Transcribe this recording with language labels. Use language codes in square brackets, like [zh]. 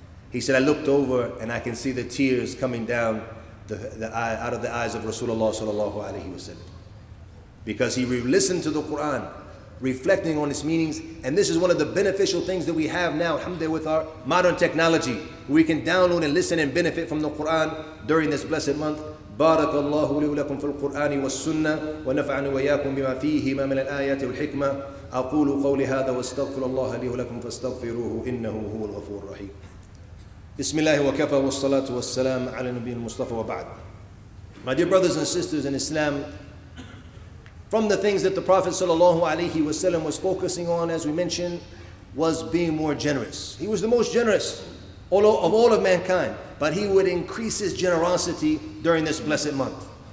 [en] He said, I looked over and I can see the tears coming down out of the eyes of Rasulullah sallallahu alayhi wa sallam. Because he re-listened to the Quran, reflecting on its meanings. And this is one of the beneficial things that we have now, alhamdulillah, with our modern technology. We can download and listen and benefit from the Quran during this blessed month. [ar] بارك الله لي ولكم في القرآن والسنة ونفعني وإياكم بما فيهما من الآيات والحكمة أقول قولي هذا واستغفر الله لي ولكم فاستغفروه إنه هو الغفور الرحيم بسم الله وكفى والصلاة والسلام على النبي المصطفى وبعد. [en] My dear brothers and sisters in Islam, from the things that the Prophet صلى الله عليه وسلم was focusing on, as we mentioned, was being more generous. He was the most generous of all of mankind. But he would increase his generosity during this blessed month.